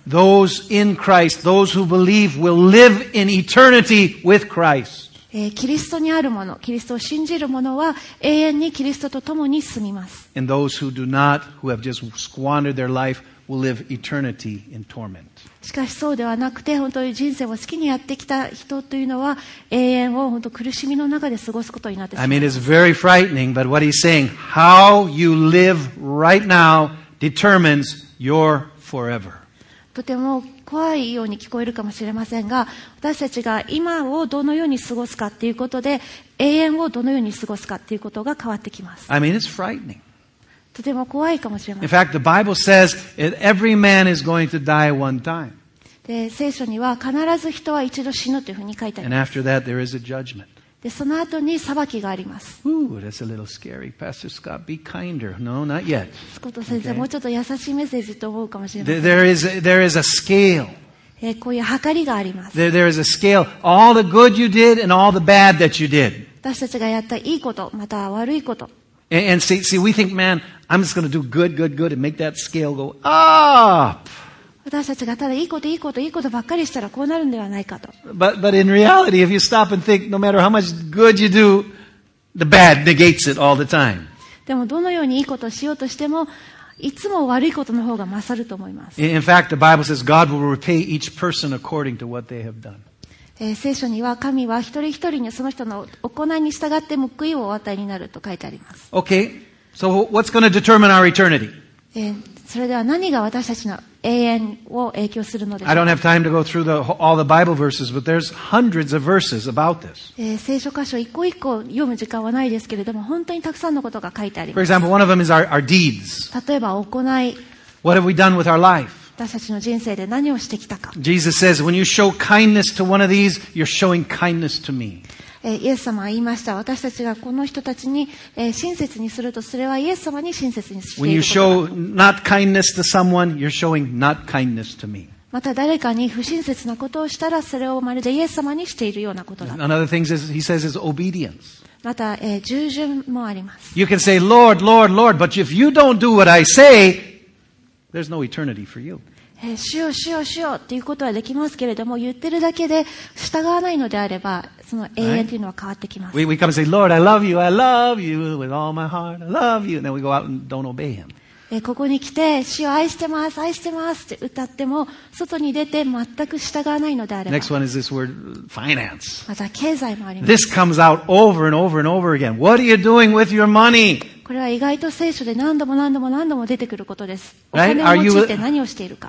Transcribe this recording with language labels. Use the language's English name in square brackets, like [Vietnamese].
[English] He's saying, those in Christ, those who believe will live in eternity with Christ. [Japanese] キリストにある者、キリストを信じる者は永遠にキリストと共に住みます。 [English] And those who do not, who have just squandered their life,Will live eternity in torment. [Japanese] しかしそうではなくて、本当に人生を好きにやってきた人というのは永遠を本当苦しみの中で過ごすことになってしまいます。 [English] I mean, it's very frightening, but what he's saying, how you live right now determines your forever. [Japanese] とても怖いように聞こえるかもしれませんが、私たちが今をどのように過ごすかということで、永遠をどのように過ごすかということが変わってきます。 [English] I mean, it's frightening. [Japanese] とても怖いかもしれません。 [English] In fact, the Bible says that every man is going to die one time. [Japanese] で、聖書には必ず人は一度死ぬというふうに書いてあります。 [English] And after that, there is a judgment. [Japanese] で、その後に裁きがあります。 [English] Ooh, that's a little scary. Pastor Scott, be kinder. No, not yet. [Japanese] スコット先生、もうちょっと優しいメッセージと思うかもしれません。 [English] There is a scale. [Japanese] え、こういう測りがあります。 [English] There is a scale. All the good you did and all the bad that you did. [Japanese] 私たちがやったいいこと、また悪いこと。 [English] And see, we think, man, I'm just going to do good, good, good, and make that scale go up. [Japanese] 私たちがただいいこといいこといいことばっかりしたらこうなるんではないかと。 [English] But in reality, if you stop and think, no matter how much good you do, the bad negates it all the time. [Japanese] でもどのようにいいことをしようとしても、いつも悪いことの方が勝ると思います。 [English] In fact, the Bible says God will repay each person according to what they have done. [Japanese] 聖書には神は一人一人にその人の行いに従って報いをお与えになると書いてあります。 [English] Okay. So what's going to determine our eternity? [Japanese] それでは何が私たちの永遠を影響するのでしょうか? [English] I don't have time to go through all the Bible verses, but there's hundreds of verses about this. [Japanese] 聖書箇所一個一個読む時間はないですけれども、本当にたくさんのことが書いてあります。 [English] For example, one of them is our deeds. [Japanese] 例えば行い。 [English] What have we done with our life? [Japanese] 私たちの人生で何をしてきたか。 [English] Jesus says, when you show kindness to one of these, you're showing kindness to me. [Japanese] イエス様は言いました。私たちがこの人たちに親切にすると、それはイエス様に親切にしていることだ。 [English] When you show not kindness to someone, you're showing not kindness to me. [Japanese] また誰かに不親切なことをしたら、それをまるでイエス様にしているようなことだ。 [English] Another thing is, he says, is obedience. [Japanese] また、従順もあります。 [English] You can say, Lord, Lord, Lord, but if you don't do what I say,There's no eternity for you. [Japanese] しようしようしようっていうことはできますけれども、言ってるだけで従わないのであれば、その永遠というのは変わってきます。 [English] Right? We come and say, Lord, I love you, I love you with all my heart, I love you, and then we go out and don't obey him. [Japanese] ここに来て、主を愛してます、愛してますって歌っても、外に出て全く従わないのであれば。 [English] Next one is this word, finance. [Japanese] また経済もあります。 [English] This comes out over and over and over again. What are you doing with your money? [Japanese] これは意外と聖書で何度も何度も何度も出てくることです。お金持ちって何をしているか。